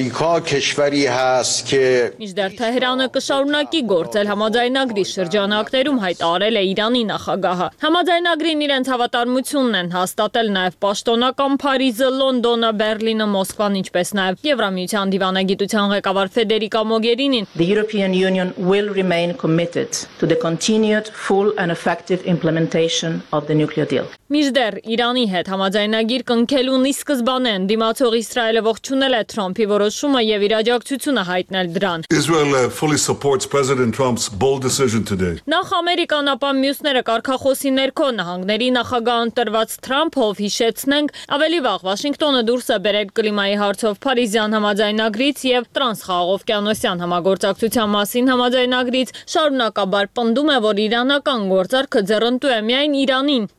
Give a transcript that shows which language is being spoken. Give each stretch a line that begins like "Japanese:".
Armenian: մինչդեռ Թեհրանը կշարունակի գործել համաձայնագրի շրջանակներում, հայտարարել է Իրանի նախագահը։ Համաձայնագրին իրենց հավատարմությունն են հաստատել նաև Պաշտոնական Փարիզը, Լոնդոնը, Բեռլինը, Մոսկվան, ինչպես նաև Եվրամիության դիվանագիտության ղեկավար Ֆեդերիկա Մոգերինին.
English: The European Union will remain committed to the continued full and effective implementation of the nuclear deal.
Armenian: Միջդեռ Իրանի հետ համաձայնագիր կնքելուն ի սկզբանե են դիմացող Իսրայելը ողջունել է Թրամփի որոշումը եւ իրաջակցությունը հայտնել դրան։
English: Israel fully supports President Trump's bold decision today.
Armenian: Նախ Ամերիկան, ապա մյուսները կարգախոսի ներքո նահանգների նախագահ ընտրված Թրամփով հիշեց ենք, ավելի վաղ Վաշինգտոնը դուրս է բերել կլիմայի հարցով Փարիզյան համաձայնագրից եւ Տրանսխաղաղօվկիանոսյան համագործակցության մասին համաձայնագրից, շարունակաբար պնդում է, որ իրանական գործարքը ձեռնտու է միայն Իրանին